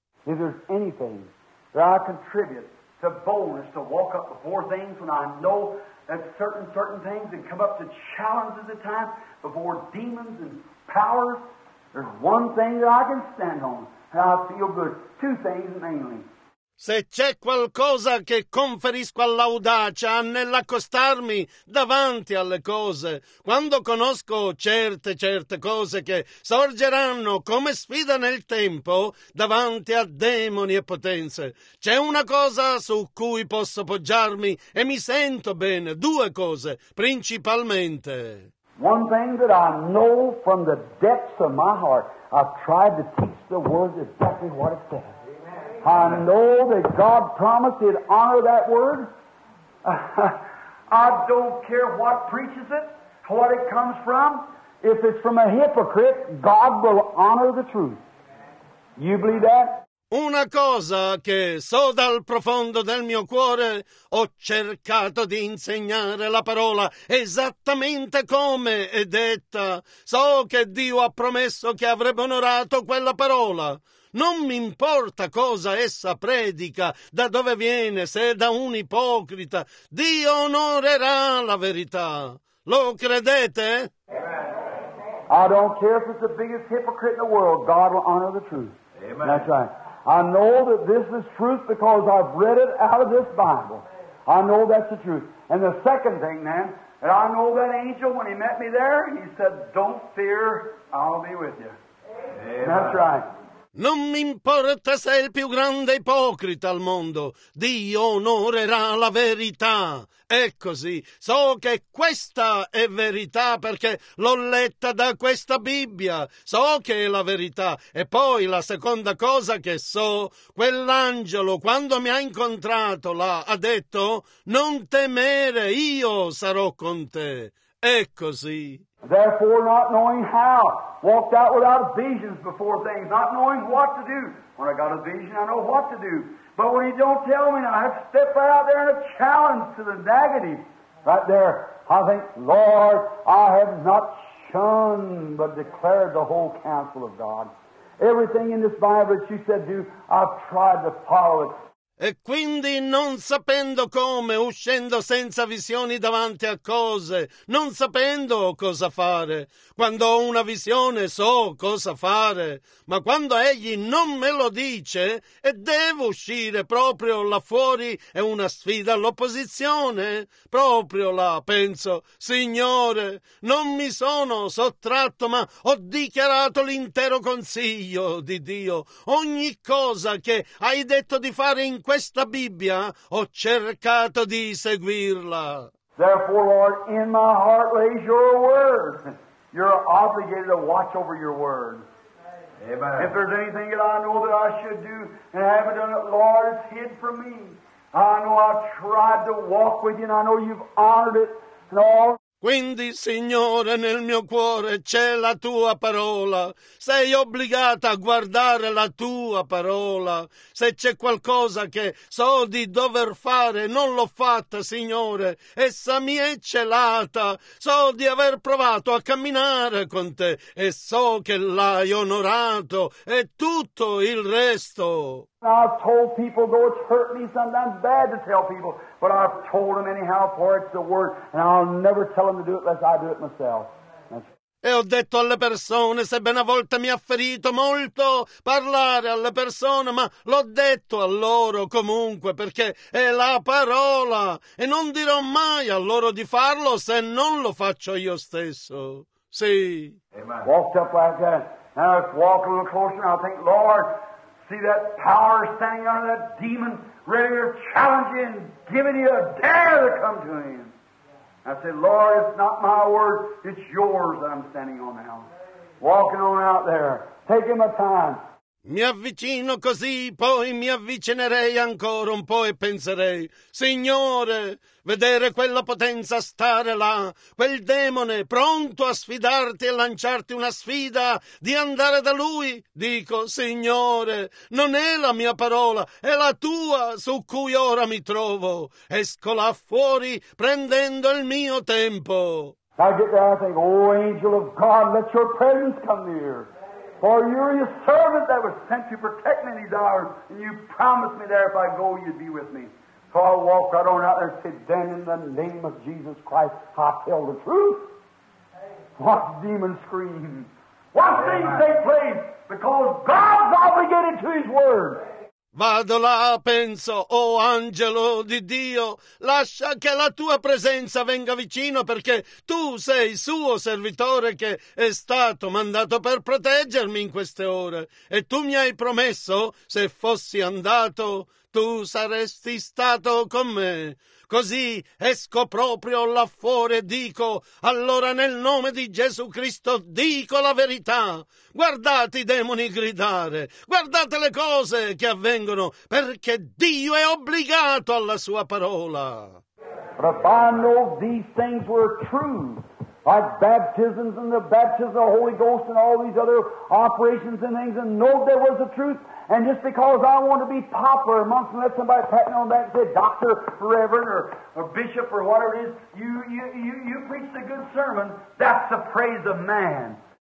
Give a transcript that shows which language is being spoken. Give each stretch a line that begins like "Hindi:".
English: If there's anything that I contribute to boldness to walk up before things when I know that certain things and come up to challenges at times before demons and powers, there's one thing that I can stand on and I feel good. Two things mainly.
Italian: Se c'è qualcosa che conferisco all'audacia nell'accostarmi davanti alle cose, quando conosco certe cose che sorgeranno come sfida nel tempo davanti a demoni e potenze, c'è una cosa su cui posso poggiarmi e mi sento bene, due cose principalmente.
English: One thing that I know from the depths of my heart, I've tried to teach the word exactly what it says. I know that God promised He'd honor that word. I don't care what preaches it, what it comes from. If it's from a hypocrite, God will honor the truth. You believe that?
Italian: Una cosa che so dal profondo del mio cuore, ho cercato di insegnare la parola esattamente come è detta. So che Dio ha promesso che avrebbe onorato quella parola. Non mi importa cosa essa predica, da dove viene, se è da un ipocrita. Dio onorerà la verità. Lo credete?
English: I don't care if it's the biggest hypocrite in the world. God will honor the truth. Amen. That's right. I know that this is truth because I've read it out of this Bible. I know that's the truth. And the second thing, man, that I know that angel, when he met me there, he said, don't fear, I'll be with you. Amen. That's right.
Italian: Non mi importa se è il più grande ipocrita al mondo. Dio onorerà la verità. È così. So che questa è verità perché l'ho letta da questa Bibbia. So che è la verità. E poi la seconda cosa che so, quell'angelo quando mi ha incontrato là ha detto non temere, io sarò con te. È così.
English: Therefore, not knowing how, walked out without visions before things, not knowing what to do. When I got a vision, I know what to do. But when He don't tell me, I have to step right out there and a challenge to the negative. Right there, I think, Lord, I have not shunned but declared the whole counsel of God. Everything in this Bible that you said do, I've tried to follow it.
Italian: E quindi non sapendo come, uscendo senza visioni davanti a cose, non sapendo cosa fare. Quando ho una visione so cosa fare, ma quando Egli non me lo dice e devo uscire proprio là fuori è una sfida all'opposizione, proprio là penso, Signore, non mi sono sottratto ma ho dichiarato l'intero consiglio di Dio. Ogni cosa che hai detto di fare in questa Bibbia ho cercato di seguirla.
English: Therefore, Lord, in my heart lays your word. You're obligated to watch over your word. Amen. If there's anything that I know that I should do and I haven't done it, Lord, it's hid from me. I know I've tried to walk with you and I know you've honored it. And all.
Italian: Quindi, Signore, nel mio cuore c'è la Tua parola. Sei obbligata a guardare la Tua parola. Se c'è qualcosa che so di dover fare, non l'ho fatta, Signore. Essa mi è celata. So di aver provato a camminare con Te e so che l'hai onorato. E tutto il resto.
English: I've told people, though it's hurt me sometimes bad to tell people, but I've told them anyhow, for it's the word, and I'll never tell them to do it unless I do it myself.
Italian: E ho detto alle persone, sebbene a volte mi ha ferito molto parlare alle persone, ma l'ho detto a loro comunque, perché è la parola, e non dirò mai a loro di farlo se non lo faccio io stesso. Sì.
English: Amen. Walked up like that. Now let's walk a little closer and I think, Lord, see that power standing under that demon, ready to challenge you and giving you a dare to come to him. I said, Lord, it's not my word, it's yours that I'm standing on now. Walking on out there, taking my time.
Italian: Mi avvicino così, poi mi avvicinerei ancora un po' e penserei, Signore, vedere quella potenza stare là, quel demone pronto a sfidarti e lanciarti una sfida di andare da lui. Dico, Signore, non è la mia parola, è la tua su cui ora mi trovo. Esco là fuori prendendo il mio tempo.
English: I get there, I think, oh, angel of God, let your presence come near. For you're your servant that was sent to protect me these hours, and you promised me there if I go, you'd be with me. So I walked right on out there and said, then in the name of Jesus Christ, I tell the truth. Watch demons scream. Watch things take place, because God's obligated to his word.
Italian: Vado là, penso, oh angelo di Dio, lascia che la tua presenza venga vicino perché tu sei suo servitore che è stato mandato per proteggermi in queste ore. E tu mi hai promesso, se fossi andato, tu saresti stato con me. Così esco proprio là fuori e dico, allora nel nome di Gesù Cristo dico la verità. Guardate i demoni gridare, guardate le cose che avvengono, perché Dio è obbligato alla sua parola.
English: But if I know these things were true, like baptisms and the baptism of the Holy Ghost and all these other operations and things, and know there was the truth, and just because I want to be popular amongst them, let somebody pat me on the back and say, Doctor, Reverend, or Bishop, or whatever it is, you preached a good sermon, that's the praise of man.